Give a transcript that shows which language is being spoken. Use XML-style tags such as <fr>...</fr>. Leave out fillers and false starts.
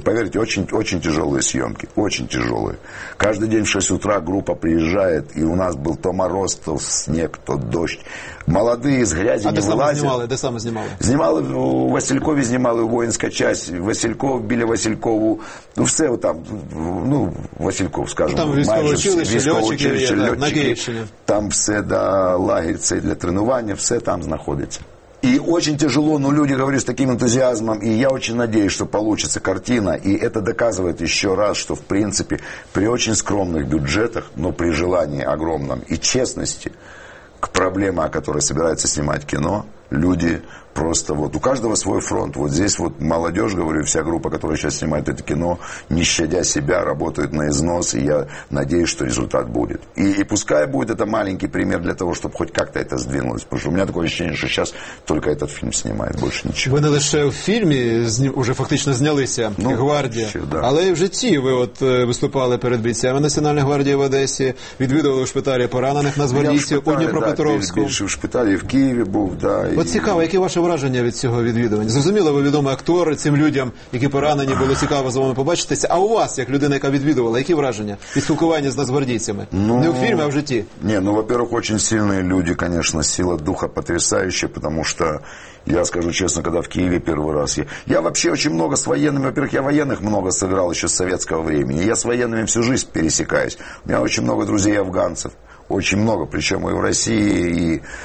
<ru>Поверьте, очень, очень тяжелые съемки. Очень тяжелые. Каждый день в 6 утра группа приезжает, и у нас был то мороз, то снег, то дождь. Молодые из грязи не вылазят. А ты сам снимал? Снимал, у Василькова снимал, у воинская часть. Васильков, били Василькову. Ну, все вот там, ну, Васильков, скажем.</ru> <uk>Там військовоучилище, летчики. Там все, да, лагерь цей для тренування, все там знаходиться.</uk> <ru>И очень тяжело, но люди говорят с таким энтузиазмом, и я очень надеюсь, что получится картина, и это доказывает еще раз, что в принципе при очень скромных бюджетах, но при желании огромном и честности к проблеме, о которой собирается снимать кино, люди просто вот, у каждого свой фронт, вот здесь вот молодежь, говорю, вся группа, которая сейчас снимает это кино, не щадя себя, работает на износ, и я надеюсь, что результат будет. И пускай будет это маленький пример для того, чтобы хоть как-то это сдвинулось, потому что у меня такое ощущение, что сейчас только этот фильм снимает, больше ничего.</ru> <uk>Вы не лише в фильме уже фактично знялися, ну, «Гвардія», да. Але и в житті ви от виступали перед бійцями Національної гвардії в Одесі, відвідували в шпиталі поранених на Зборіссі, у Дніпропетровську. Я в шпиталі, да, в Києві був, да. Вот цікаво, які ваше враження від цього відвідування? Зрозуміло, ви відомий актор, цим людям, які поранені, було цікаво з вами побачитися. А у вас, як людина, яка відвідувала, які враження від спілкування з нацгвардійцями? Ну, не у фільмі, а в житті.</uk> <ru>Ні, ну, во-первых, очень сильные люди, конечно, сила духа потрясающая, потому что я скажу честно, когда в Киеве первый раз я вообще очень много с военными, во-первых, я военных много сыграл еще с советского времени. Я с военными всю жизнь пересекаюсь. У меня очень много друзей афганцев. Очень много, причем и в России, и</ru>